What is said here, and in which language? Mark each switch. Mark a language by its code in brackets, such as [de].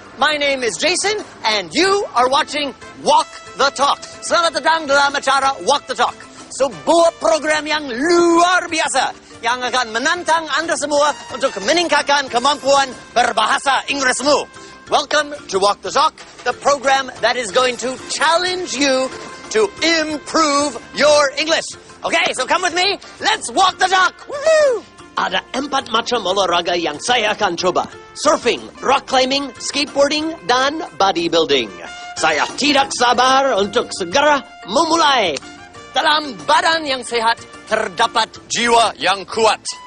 [en] My name is Jason, and you are watching Walk the Talk. [id] Selamat datang dalam acara Walk the Talk. Sebuah program yang luar biasa, yang akan menantang Anda semua untuk meningkatkan kemampuan berbahasa Inggrismu. [en] Welcome to Walk the Talk, the program that is going to challenge you to improve your English. Okay, so come with me. Let's walk the talk. Woohoo! [id] Ada empat macam olahraga yang saya akan coba. Surfing, rock climbing, skateboarding, dan bodybuilding. Saya tidak sabar untuk segera memulai. Dalam badan yang sehat, terdapat jiwa yang kuat.